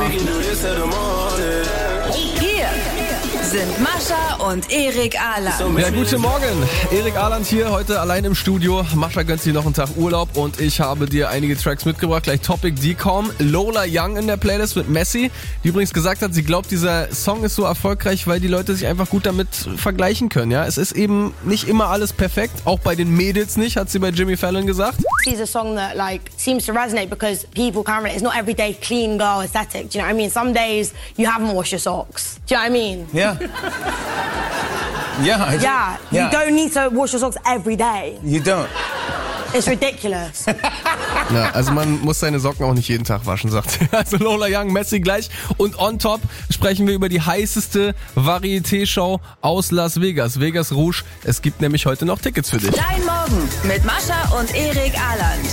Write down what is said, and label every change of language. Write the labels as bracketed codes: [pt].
[en] We can do this in the morning. [de] Hier sind Mascha und Erik Ahlan. Ja, guten Morgen. Erik Ahlan hier, heute allein im Studio. Mascha gönnt sich noch einen Tag Urlaub und ich habe dir einige Tracks mitgebracht. Gleich Topic Decom, Lola Young in der Playlist mit Messi, die übrigens gesagt hat, sie glaubt, dieser Song ist so erfolgreich, weil die Leute sich einfach gut damit vergleichen können. Ja, es ist eben nicht immer alles perfekt, auch bei den Mädels nicht, hat sie bei Jimmy Fallon gesagt. [en] She's a song that like seems to resonate because people can't really, it's not everyday clean girl aesthetic, do you know what I mean? Some days you haven't washed your socks, do you know what I mean? Yeah. Yeah, I do. Yeah, yeah, you don't need to wash your socks every day. You don't. It's ridiculous. [de] Ja, also man muss seine Socken auch nicht jeden Tag waschen, sagt sie. Also Lola Young, Messi gleich. Und on top sprechen wir über die heißeste Varieté-Show aus Las Vegas. Vegas Rouge. Es gibt nämlich heute noch Tickets für dich. Dein Morgen mit Mascha und Erik Ahlan.